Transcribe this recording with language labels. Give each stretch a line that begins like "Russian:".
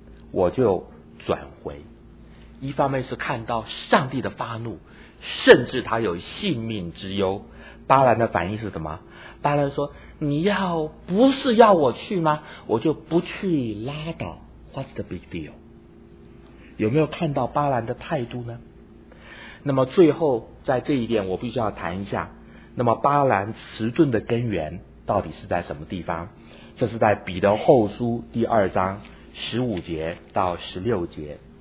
Chinese: 我就转回。一方面是看到上帝的发怒，甚至他有性命之忧。巴兰的反应是什么？巴兰说，你要不是要我去吗？我就不去拉倒，
English: What's the big deal？
Chinese: 有没有看到巴兰的态度呢？那么最后在这一点我必须要谈一下，那么巴兰迟钝的根源到底是在什么地方？这是在彼得后书第2章15节到16节。